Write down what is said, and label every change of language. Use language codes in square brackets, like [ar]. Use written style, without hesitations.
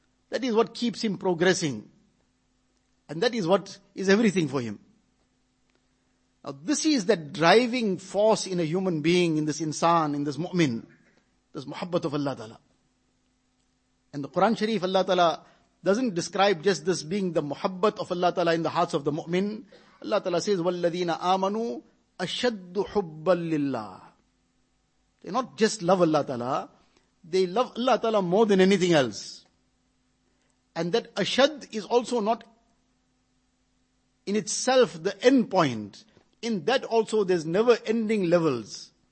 [en] That is what keeps him progressing. And that is what is everything for him. Now this is that driving force in a human being, in this insan, in this mu'min, this muhabbat of Allah Ta'ala. And the Quran Sharif, Allah Ta'ala doesn't describe just this being the muhabbat of Allah Ta'ala in the hearts of the mu'min. Allah Ta'ala says, [ar] وَالَّذِينَ آمَنُوا أَشَدُّ حُبَّا لِلَّهِ. [en] They not just love Allah Ta'ala, they love Allah Ta'ala more than anything else. And that ashad is also not in itself the end point. In that also there's never ending levels.